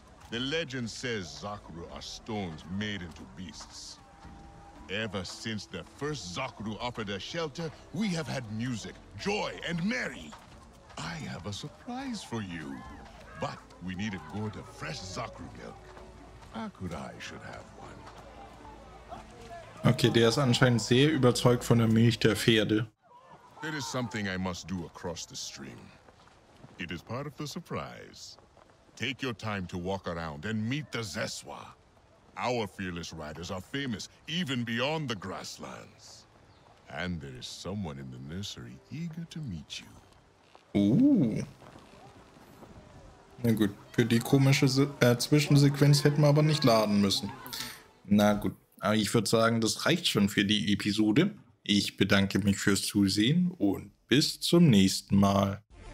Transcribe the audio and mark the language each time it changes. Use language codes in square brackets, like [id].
[en] The legend says Zakru are stones made into beasts. Ever since the first Zakru offered us shelter, we have had music, joy, and merry. I have a surprise for you. But we need a gourd of fresh Zakru milk. Akurai should have one. [de] Okay, der ist anscheinend sehr überzeugt von der Milch der Pferde. [en] There is something I must do across the stream. It is part of the surprise. Take your time to walk around and meet the Zeswa. Our fearless riders are famous even beyond the grasslands. And there is someone in the nursery eager to meet you. Ooh. [de] Na gut, für die komische Zwischensequenz hätten wir aber nicht laden müssen. Na gut, aber ich würde sagen, das reicht schon für die Episode. Ich bedanke mich fürs Zusehen und bis zum nächsten Mal.